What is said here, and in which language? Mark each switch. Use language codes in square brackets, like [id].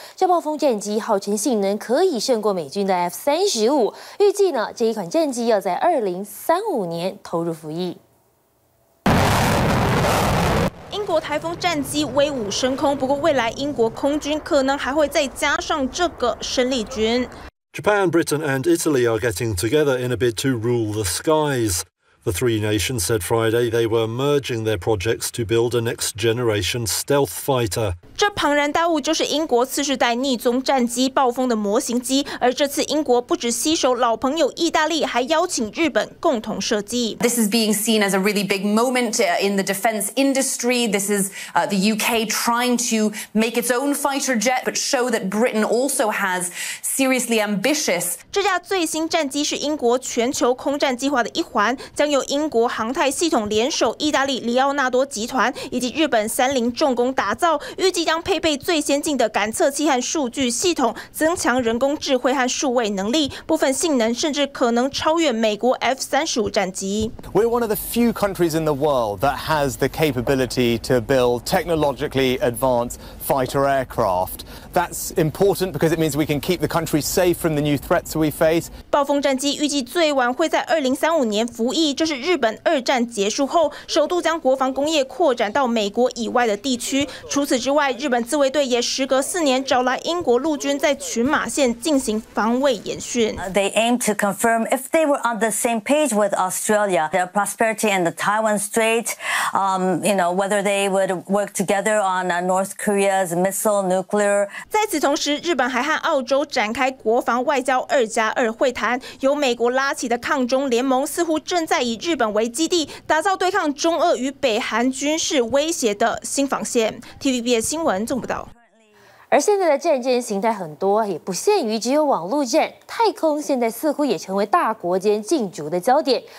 [zh] 这暴风战机号称性能可以胜过美军的 F-35， 预计呢这一款战机要在2035年投入服役。英国台风战机威武升空，不过未来英国空军可能还会再加上这个生力军。 [en] Japan, Britain and Italy are getting together in a bid to rule the skies. The three nations said Friday they were merging their projects to build a next-generation stealth fighter. [zh] 这庞然大物就是英国次世代逆踪战机暴风的模型机，而这次英国不只携手老朋友意大利，还邀请日本共同设计。 [en] This is being seen as a really big moment in the defence industry. This is the UK trying to make its own fighter jet, but show that Britain also has seriously ambitious. [zh] 这架最新战机是英国全球空战计划的一环。将由英国航太系统联手意大利里奥纳多集团以及日本三菱重工打造，预计将配备最先进的感测器和数据系统，增强人工智慧和数位能力，部分性能甚至可能超越美国 F-35 战机。 [en] We're one of the few countries in the world that has the capability to build technologically advanced fighter aircraft. That's important because it means we can keep the country safe from the new threats we face. [zh] 暴风战机预计最晚会在2035年服役。这是日本二战结束后首度将国防工业扩展到美国以外的地区。除此之外，日本自卫队也时隔4年找来英国陆军在群马县进行防卫演训。 [en] They aim to confirm if they were on the same page with Australia, their prosperity in the Taiwan Strait, you know, whether they would work together on North Korea's missile nuclear. [zh] 在此同时，日本还和澳洲展开国防外交2+2会谈，由美国拉起的抗中联盟似乎正在以日本为基地，打造对抗中俄与北韩军事威胁的新防线。 TVBS 新闻总报道。而现在的战舰形态很多，也不限于只有网路舰，太空现在似乎也成为大国间竞逐的焦点。